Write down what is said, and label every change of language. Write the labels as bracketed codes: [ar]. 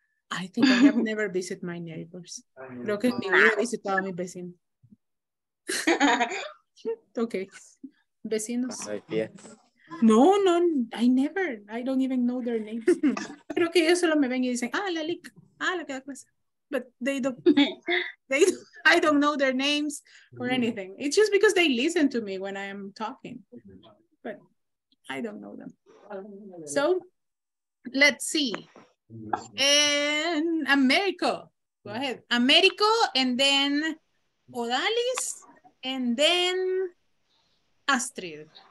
[en] I think I have never visited my neighbors. [es] Creo que en mi vida he visitado a mi vecino. [en] Okay. Vecinos. No, no, I never. I don't even know their names. [es] Creo que ellos solo me ven y dicen, ah, la lic, ah, la que da clase. [en] But they don't, I don't know their names or anything. It's just because they listen to me when I am talking. But I don't know them. So let's see. And Americo, go ahead. Americo, and then Odalis, and then Astrid.